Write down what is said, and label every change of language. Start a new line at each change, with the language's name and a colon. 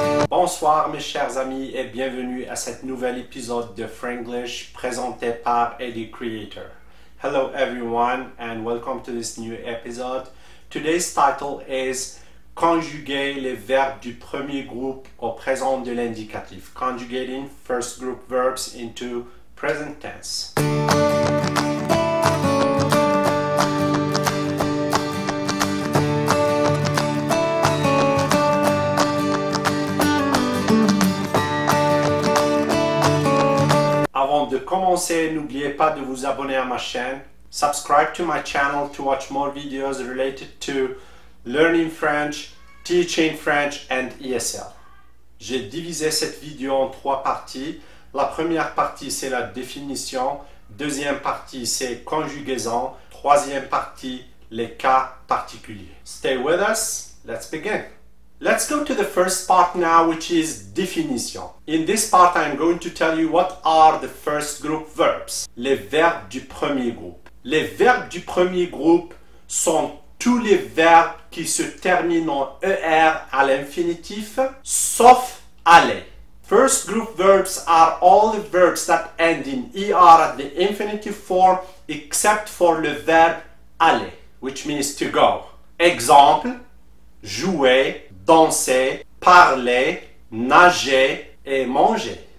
French: Bonsoir mes chers amis et bienvenue à cet nouvel épisode de Franglish présenté par Eddie Creator.
English: Hello everyone and welcome to this new episode. Today's title is
French: Conjuguer les verbes du premier groupe au présent de l'indicatif.
English: Conjugating first group verbs into present tense.
French: Avant de commencer, n'oubliez pas de vous abonner à ma chaîne.
English: Subscribe to my channel to watch more videos related to learning French, teaching French and ESL.
French: J'ai divisé cette vidéo en trois parties. La première partie, c'est la définition. Deuxième partie, c'est conjugaison. Troisième partie, les cas particuliers.
English: Stay with us. Let's begin. Let's go to the first part now, which is définition. In this part, I'm going to tell you what are the first group verbs.
French: Les verbes du premier groupe. Les verbes du premier groupe sont tous les verbes qui se terminent en ER à l'infinitif, sauf aller.
English: First group verbs are all the verbs that end in ER at the infinitive form, except for
French: le verbe aller,
English: which means to go.
French: Exemple, jouer. Danser, parler, nager et manger.